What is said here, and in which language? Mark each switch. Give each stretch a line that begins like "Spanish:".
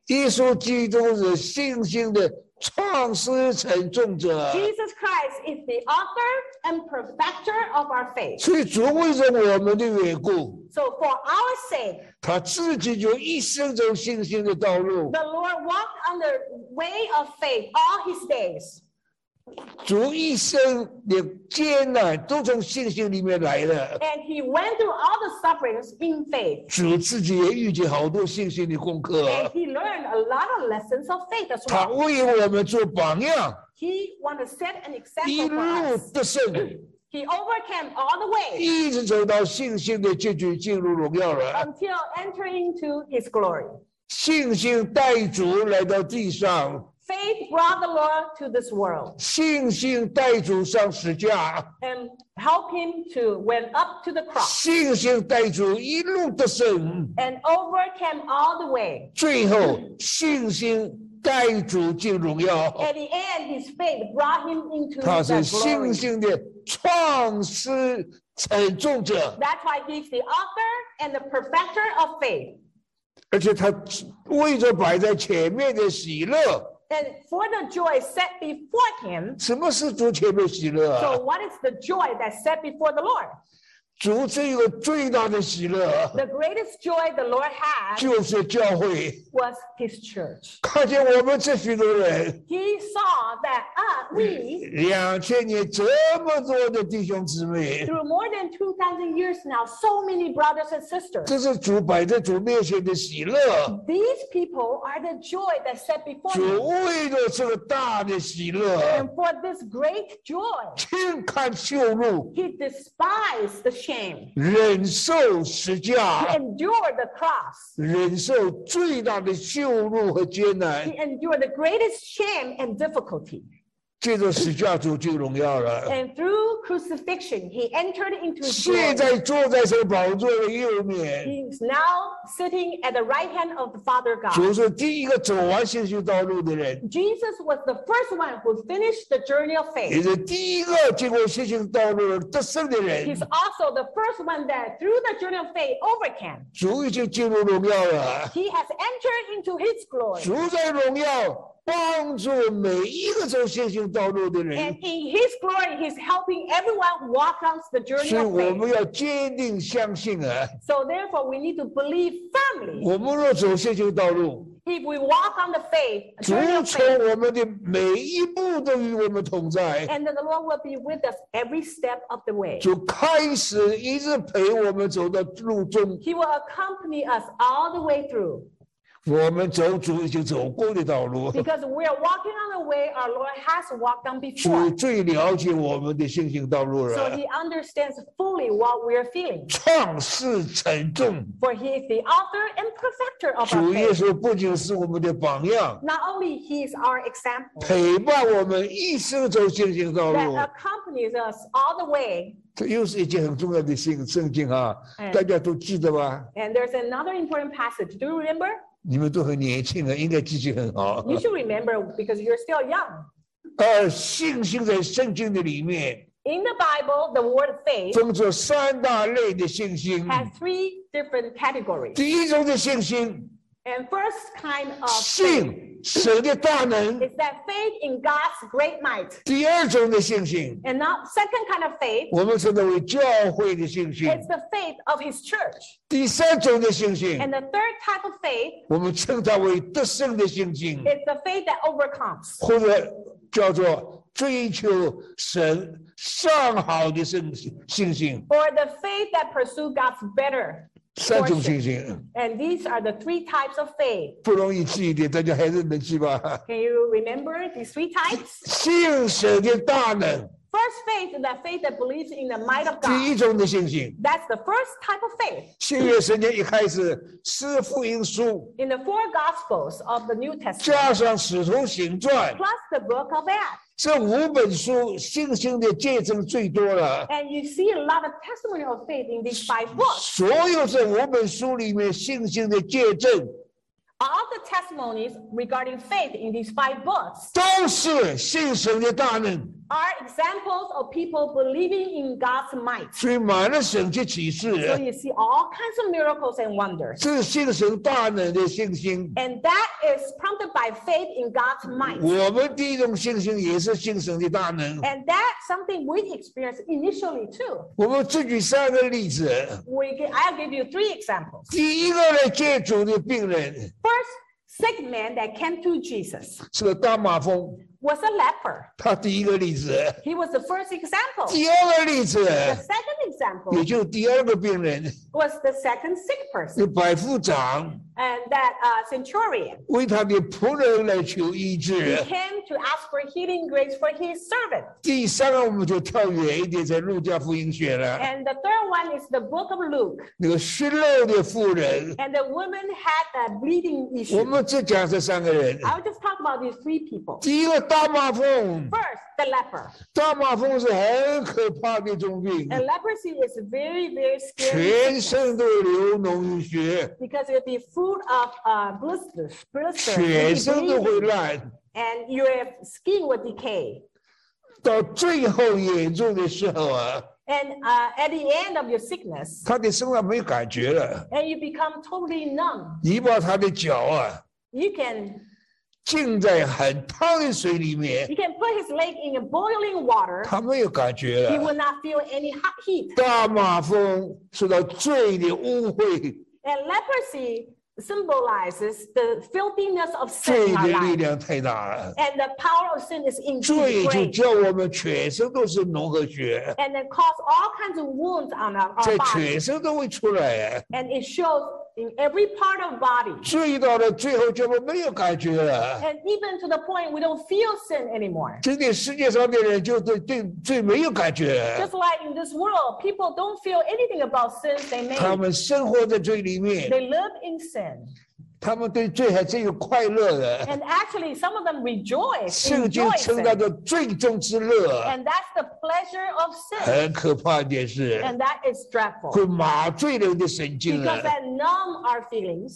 Chinese: 耶稣基督是信心的创始成终者
English: Jesus Christ is the author and perfecter of our faith.
Chinese: 所以主为着我们的缘故
English: So for our sake,
Chinese: 他自己就一生走信心的道路
English: The Lord walked on the way of faith all his days.
Chinese: 主一生的艰难都从信心里面来的
English: And he went through all the sufferings in faith.
Chinese: 主自己也遇见好多信心的功课
English: And he learned a lot of lessons of faith as well.
Chinese: 他为我们做榜样
English: He wanted to set an example for us.
Chinese: 一路得胜
English: He overcame all the way.
Chinese: 一直走到信心的结局进入荣耀了
English: Until entering into his glory.
Chinese: 信心带主来到地上
English: Faith brought the Lord to this world.
Chinese: 信心带主上十字架
English: And helped him to went up to the cross.
Chinese: 信心带主一路得胜
English: And overcame all the way.
Chinese: 最后信心带主进荣耀
English: At the end, his faith brought him into the glory.
Chinese: 他是信心的创始成终者
English: That's why he's the author and the perfecter of faith.
Chinese: 而且他为着摆在前面的喜乐
English: And for the joy set before him,
Chinese: 什么是主前面喜乐、啊、
English: So what is the joy that set before the Lord?
Chinese: 主这个最大的喜乐、啊、
English: The greatest joy the Lord had
Chinese: 就是教会
English: was his church.
Chinese: 看见我们这许多人
English: He saw that we
Chinese: 2000年这么多的弟兄姊妹
English: through more than 2000 years now, so many brothers and sisters.
Chinese: 这是主摆在主面前的喜乐
English: These people are the joy that set before
Chinese: him. 主为了这个大的喜乐
English: And for this great joy,
Chinese: 轻看羞辱
English: he despised the shame.
Chinese: 忍受十字架
English: endure the cross.
Chinese: 忍受最大的羞辱和艰难
English: he endured the greatest shame and difficulty.
Chinese: 借着十字架主进荣耀了。
English: And through crucifixion, he entered into glory.
Chinese: 现在坐在神宝座的右面。
English: He is now sitting at the right hand of the Father God.
Chinese: 主是第一个走完信心道路的人。
English: Jesus was the first one who finished the journey of faith.
Chinese: 也是第一个经过信心道路得胜的人。
English: He's also the first one that through the journey of faith overcame.
Chinese: 主已经进入荣耀了。
English: He has entered into his glory.
Chinese: 主在荣耀。帮助每一个走信心道路的人
English: And in his glory, he's helping everyone walk on the journey of faith.
Chinese: 所以我们要坚定相信啊。
English: So therefore, we need to believe firmly.
Chinese: 我们若走信心道路
English: If we walk on the faith,
Chinese: 主从我们的每一步都与我们同在
English: And the Lord will be with us every step of the way.
Chinese: 主开始一直陪我们走到路中
English: He will accompany us all the way through.
Chinese: 我们走主已经走过的道路
English: Because we are walking on the way our Lord has walked on before
Chinese: 主最了解我们的信心道路了
English: So he understands fully what we are feeling
Chinese: 创始成终
English: For he is the author and perfecter of our faith
Chinese: 主耶稣不仅是我们的榜样
English: Not only he is our example
Chinese: 陪伴我们一生走信心道路
English: That accompanies us all the way
Chinese: 这又是一件很重要的圣经啊大家都记得吧
English: And there's another important passage Do you remember?
Chinese: 你们都很年轻啊，应该记性很好。
English: You should remember because you're still young.
Chinese: 信心在圣经的里面。
English: In the Bible, the word faith.
Chinese: 分作三大类的信心。
English: Has three different categories.
Chinese: 第一种的信心。
English: And first kind of faith.
Chinese: 信神的大能。
English: Is that faith in God's great might.
Chinese: 第二种的信心。
English: And now second kind of faith.
Chinese: 我们称之为教会的信心。
English: It's the faith of his church.
Chinese: 第三种的信心
English: And the third type of faith
Chinese: 我们称它为得胜的信心
English: It's the faith that overcomes
Chinese: 或者叫做追求神上好的信心
English: Or the faith that pursues God's better
Chinese: 三种信心
English: And these are the three types of faith
Chinese: 不容易记一点大家还是能记吧
English: Can you remember these three types?
Chinese: 信神的大能
English: First faith is that faith that believes in the might of God.
Chinese: 第一种的信心。
English: That's the first type of faith.
Chinese: 新约圣经一开始，四福音书。
English: In the four gospels of the New Testament.
Chinese: 加上使徒行传。
English: Plus the book of Acts.
Chinese: 这五本书信心的见证最多了。
English: And you see a lot of testimony of faith in these five books.
Chinese: 所有这五本书里面信心的见证。
English: All the testimonies regarding faith in these five books.
Chinese: 都是信神的大能。
English: Are examples of people believing in God's might.
Chinese: 所以满了神的启示。
English: So you see all kinds of miracles and wonders.
Chinese: 是信神大能的信心。
English: And that is prompted by faith in God's might.
Chinese: 我们第一种信心也是信神的大能。
English: And that's something we experienced initially too.
Chinese: 我们自举三个例子。
English: I'll give you three examples.
Chinese: 第一个来借主的病人。
English: First, sick man that came to Jesus.
Chinese: 是个大麻风。
English: Was a leper.
Chinese: 他第一个例子。
English: He was the first example.
Chinese: 第二个例子。
English: The second example.
Chinese: 也就第二个病人。
English: Was the second sick person.
Chinese: 是百夫长。
English: And that centurion.
Chinese: 为他的仆人来求医治。
English: He came to ask for healing grace for his servant.
Chinese: 第三个我们就跳远一点，在路加福音学了。
English: And the third one is the book of Luke.
Chinese: 那个失漏的妇人。
English: And the woman had a bleeding issue.
Chinese: 我们只讲这三个人。
English: I'll just talk about these three people.
Chinese: 第一个大麻风。
English: First, the leper.
Chinese: 大麻风是很可怕的重病。
English: And leprosy is very, very scary.
Chinese: 全身都流脓淤血。
English: Because it'd be full of blisters.
Chinese: 全身都会烂。
English: And your skin will decay.
Chinese: 到最后严重的时候啊。
English: And at the end of your sickness.
Chinese: 他的身上没感觉了。
English: And you become totally numb.
Chinese: 你把他的脚啊。
English: You can...
Chinese: 浸在很烫的水里面。
English: You can put his leg in a boiling water.
Chinese: 他没有感觉了。
English: He will not feel any hot heat.
Chinese: 大麻风受到罪的污秽。
English: And leprosy symbolizes the filthiness of sin.
Chinese: 罪的力量太大了。
English: And the power of sin is in too great.
Chinese: 罪就叫我们全身都是脓和血。
English: And it causes all kinds of wounds on our body.
Chinese: 在全身都会出来。
English: And it shows. In every part of body.
Chinese: 罪到了最后就没有感觉了。
English: And even to the point we don't feel sin anymore.
Chinese: 今天世界上的人就对罪没有感觉了。
English: Just like in this world, people don't feel anything about sin they made.
Chinese: 他们生活在罪里面。
English: They live in sin.
Chinese: 他们对罪还真有快乐的。
English: And actually, some of them rejoice.
Chinese: 圣经称它做罪中之乐。
English: And that's the pleasure of sin.
Chinese: 很可怕的件事。
English: And that is dreadful.
Chinese: 会麻醉人的神经了。
English: Because that numb our feelings.